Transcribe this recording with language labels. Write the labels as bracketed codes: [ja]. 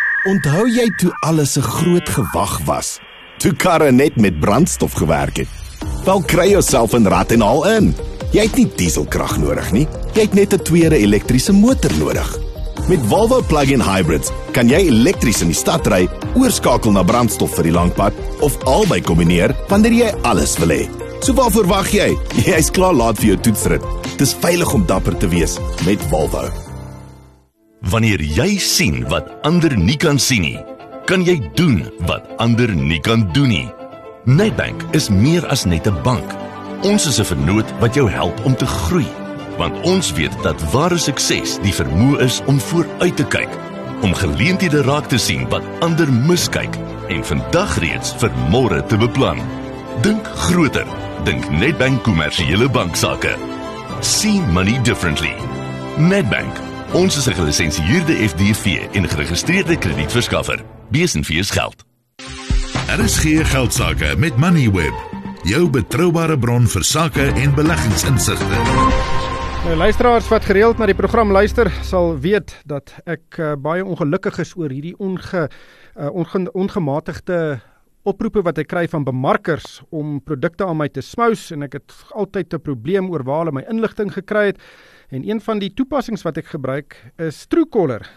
[af] Onthou jy toe alles 'n groot gewag was? Toe karre net met brandstof gewerk het. Wel kry jouself in rat en haal in. Jy het nie dieselkrag nodig nie. Jy het net 'n tweede elektriese motor nodig. Met Volvo Plug-in Hybrids kan jy elektries in die stad ry, oorskakel na brandstof vir die langpad of albei kombineer wanneer jy alles wil hê. So waarvoor wag jy? Jy is klaar laat vir jou toetsrit. Dis veilig om dapper te wees met Volvo. Wanneer jy sien wat ander nie kan sien nie, kan jy doen wat ander nie kan doen nie. Nedbank is meer as net 'n bank. Ons is 'n vennoot wat jou help om te groei. Want ons weet dat ware sukses die vermoë is om vooruit te kyk, om geleenthede raak te sien wat ander miskyk en vandag reeds vir môre te beplan. Dink groter. Dink Nedbank kommersiële banksaake. [en] See money differently. [af] Nedbank. Ons is 'n gelisensieerde FDV en geregistreerde kredietverskaffer. BSNV is geld. RSG Geldsaake met Moneyweb. Jou betroubare bron vir sake en beleggingsinsigte. Nou, luisteraars wat gereeld na die program luister, sal weet dat ek baie ongelukkig is oor hierdie ongematigde oproepe wat ek kry van bemarkers om produkte aan my te smous en ek het altyd 'n probleem oor waar hulle my inligting gekry het. En een van die toepassings wat ek gebruik is Truecaller.